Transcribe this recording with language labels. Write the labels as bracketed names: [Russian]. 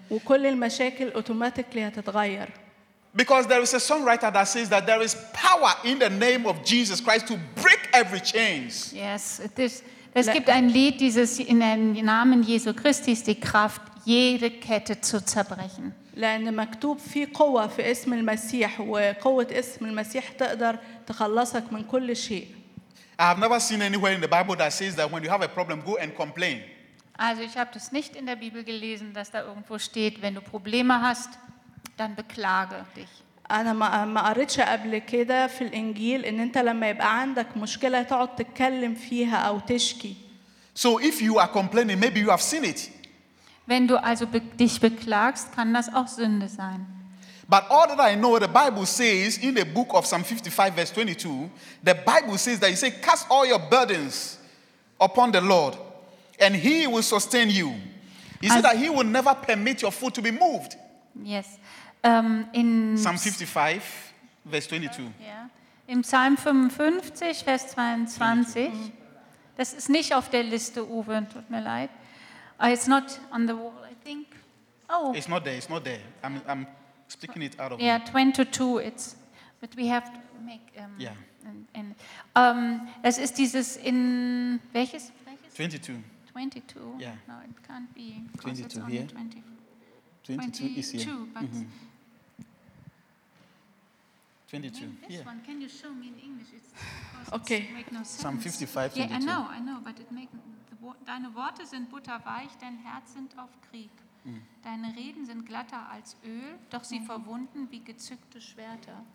[Arabic] وكل المشاكل [English] automatically [Arabic] هتتغير. [English] Because there is a songwriter that says that there is power in the name of Jesus Christ to break every chains. Yes, it is. [German] Es gibt ein Lied, dieses in dem Namen Jesu Christi ist die Kraft, jede Kette zu zerbrechen. [Arabic] لأن مكتوب في قوة في اسم المسيح وقوة اسم المسيح تقدر تخلصك من كل شيء. [English] I have never seen anywhere in the Bible that says that when you have a problem, go and complain. [German] Also ich habe das nicht in der Bibel gelesen, dass da irgendwo steht, wenn du Probleme hast, dann beklage dich. [Arabic] أنا ما قريتش قبل كده في الإنجيل إن أنت لما يبقى عندك مشكلة تقعد تتكلم فيها أو تشكي. [English] So if you are complaining, maybe you have seen it. [German] Wenn du also dich beklagst, kann das auch Sünde sein. [English] But all that I know, the Bible says in the book of Psalm 55, verse 22, the Bible says that you say, cast all your burdens upon the Lord, and he will sustain you. He said that he will never permit your foot to be moved. Yes. In Psalm 55, verse 22. Yeah. [German] In Psalm 55, Vers 22. Das ist nicht auf der Liste, Uwe, tut mir leid. [English] It's not on the wall, I think. Oh. It's not there, it's not there. I'm speaking it out of Yeah, 22, it's, but we have to make, [German] es ist dieses in, welches? [English] 22. Yeah. No, it can't be. 22, here. 22 is here. 22, but 22. This yeah. one, can you show me in English? It's because okay. it makes no sense. Psalm 55, 22. Yeah, I know, but it makes... [German] Deine Worte sind butterweich, dein Herz sind auf Krieg. Deine Reden sind glatter als Öl, doch sie verwunden wie gezückte Schwerter.